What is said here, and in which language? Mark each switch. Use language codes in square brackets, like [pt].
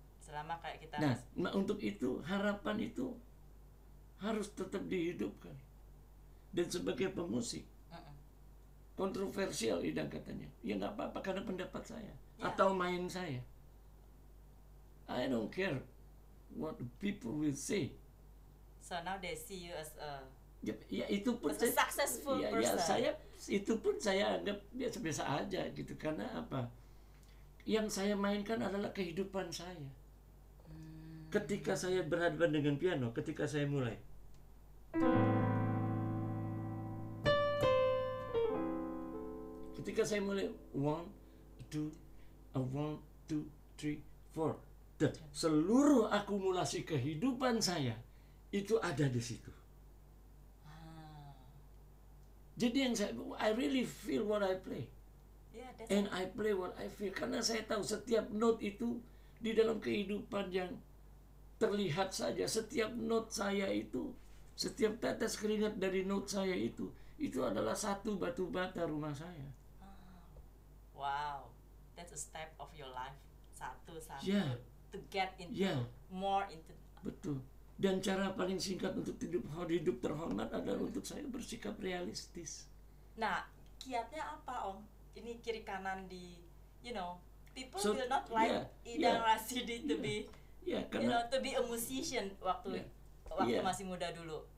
[id] selama kayak kita. Nah, untuk itu harapan itu harus tetap dihidupkan. Dan sebagai pemusik, kontroversial idang katanya. Ya nggak apa-apa karena pendapat saya atau main saya. [en] I don't care what people will say. So now they see you as a successful person. [id] Ya, saya itu pun saya anggap biasa-biasa aja gitu, karena apa? Yang saya mainkan adalah kehidupan saya. Ketika saya berhadapan dengan piano, ketika saya mulai. Ketika saya mulai 1 2 1 2 3 4, dan seluruh akumulasi kehidupan saya itu ada di situ. Jadi yang saya, [en] I really feel what I play. And I play what I feel. [id] Karena saya tahu setiap note itu di dalam kehidupan yang terlihat saja, setiap note saya itu, setiap tetes keringat dari note saya itu adalah satu batu bata rumah saya. [en] Wow, that's a step of your life. [id] Satu-satu [en] to get into more into. [id] Betul. Dan cara paling singkat untuk hidup terhormat adalah untuk saya bersikap realistis. Nah, kiatnya apa, Om? Ini kiri kanan di, [en] you know, people will not like Idang Rasidi to be [id] karena, [en] you know, to be a musician [id] waktu masih muda dulu.